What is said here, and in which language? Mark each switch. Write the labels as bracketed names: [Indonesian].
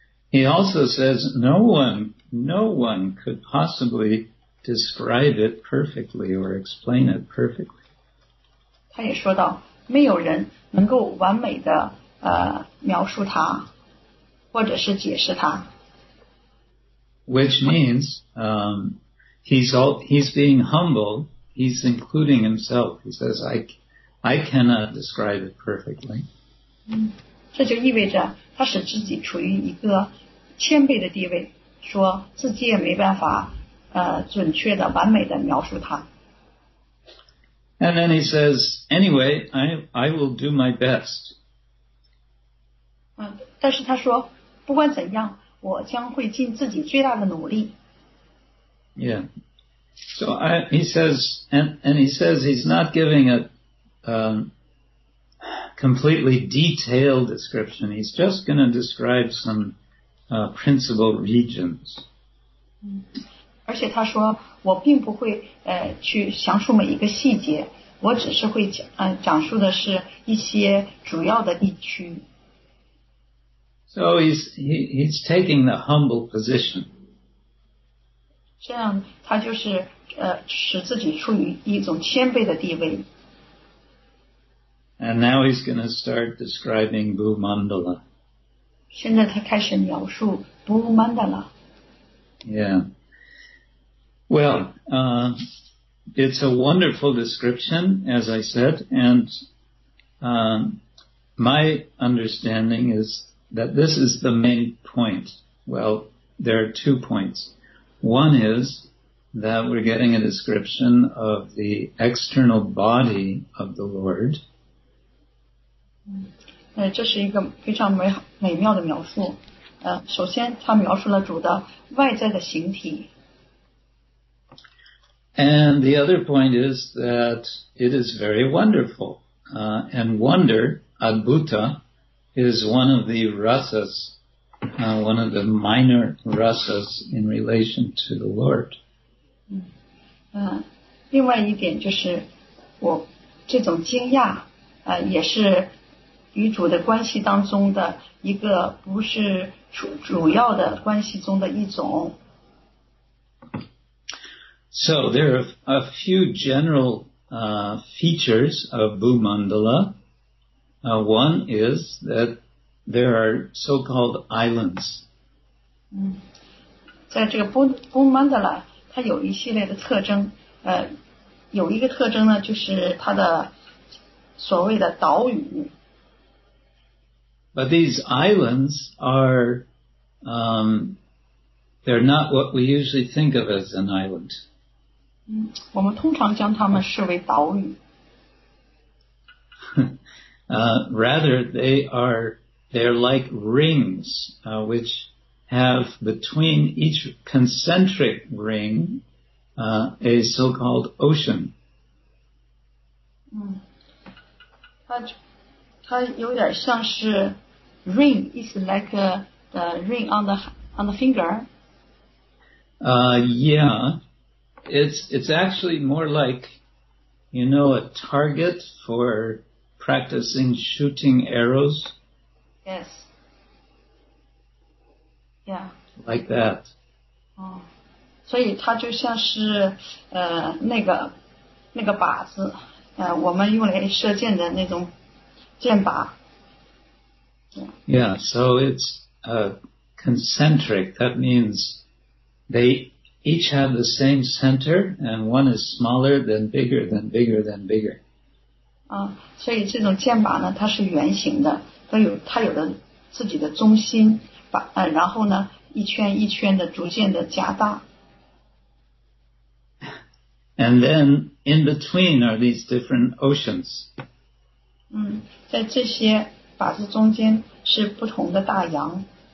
[English] He also says no one could possibly describe it perfectly or explain it perfectly. [Chinese] 他也说到没有人能够完美的描述它或者是解释它。 [English] Which means, he's being humble, he's including himself. He says, I cannot describe it perfectly. [Chinese] 这就意味着他使自己处于一个谦卑的地位，说自己也没办法准确的完美的描述它。 [English] And then he says, anyway, I will do my best. [Chinese] 但是他说不管怎样我将会尽自己最大的努力。 [English] Yeah. So he says he's not giving a completely detailed description. He's just going to describe some principal regions. [Chinese] 而且他说我并不会去详述每一个细节。我只是会讲述的是一些主要的地区。 [English] So he's taking the humble position. [Chinese] 这样他就是使自己处于一种谦卑的地位。 [English] And now he's going to start describing Bhumandala. [Chinese] 现在他开始描述 Bhumandala. [English] Yeah. Well, it's a wonderful description, as I said, and my understanding is that this is the main point. Well, there are two points. One is that we're getting a description of the external body of the Lord. [Chinese] 这是一个非常美妙的描述。首先他描述了主的外在的形体。 [English] And the other point is that it is very wonderful. And wonder, adbhuta, is one of the rasas, one of the minor rasas in relation to the Lord. [Chinese] 另外一点就是我这种惊讶也是与主的关系当中的一个不是主要的关系中的一种。 [English] So there are a few general features of Bhumandala. One is that there are so-called islands. [Chinese] 在这个 Bhumandala, 它有一系列的特征。有一个特征呢，就是它的所谓的岛屿。 [English] But these islands are, they're not what we usually think of as an island. [Chinese] 我们通常将它们视为岛屿。 [English] Rather, they're like rings, which have between each concentric ring, a so-called ocean. [Chinese] 它有点像是 [English] ring, it's like a ring on the finger. Yeah. It's actually more like, you know, a target for practicing shooting arrows? Yes. Yeah. Like that. Oh. [Chinese] 所以它就像是那个靶子我们用来射箭的那种箭靶。 [English] Yeah, so it's concentric. That means they each have the same center, and one is smaller than bigger than bigger than bigger. [Chinese] 所以这种箭靶呢，它是圆形的，它有的自己的中心靶，然后呢，一圈一圈的逐渐的加大。 [English] And then in between are these different oceans. [Chinese] 在这些靶子中间是不同的大洋。